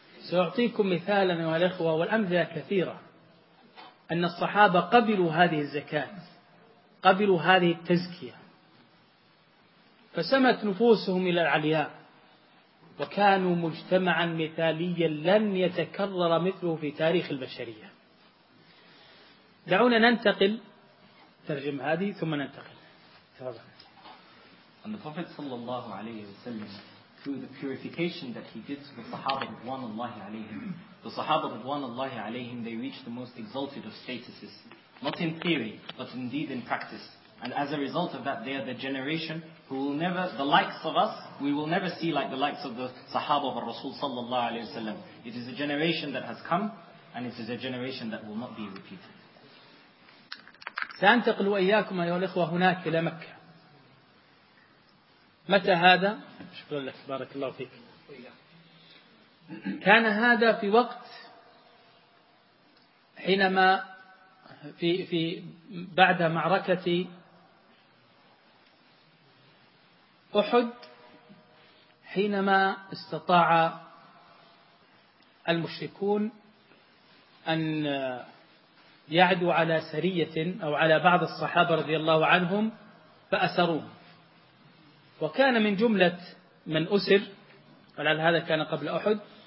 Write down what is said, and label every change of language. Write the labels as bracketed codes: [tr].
[ar] سأعطيكم مثالا أيها الأخوة والأمثلة كثيرة أن الصحابة قبلوا هذه الزكاة، قبلوا هذه التزكية، فسمت نفوسهم إلى العلياء وكانوا مجتمعا مثاليا لن يتكرر مثله في تاريخ البشرية. دعونا ننتقل، ترجم هذه ثم ننتقل. [en] And the Prophet صلى الله عليه وسلم, through the purification that he did to the Sahaba Ridwan Allahi alayhim, the Sahaba Ridwan Allahi alayhim, they reached the most exalted of statuses, not in theory, but indeed in practice. And as a result of that, they are the generation who will never, the likes of us, we will never see like the likes of the Sahaba of Rasul sallallahu alayhi wa sallam. It is a generation that has come, and it is a generation that will not be repeated. [ar] سأنتقل وإياكم أيها الإخوة هناك إلى مكة. متى هذا؟ شكرا لك، بارك الله فيك. كان هذا في وقت حينما في بعد معركة أحد، حينما استطاع المشركون أن يعدوا على سرية أو على بعض الصحابة رضي الله عنهم فأسروهم، وكان من جملة من أسر، ولعل هذا كان قبل أحد،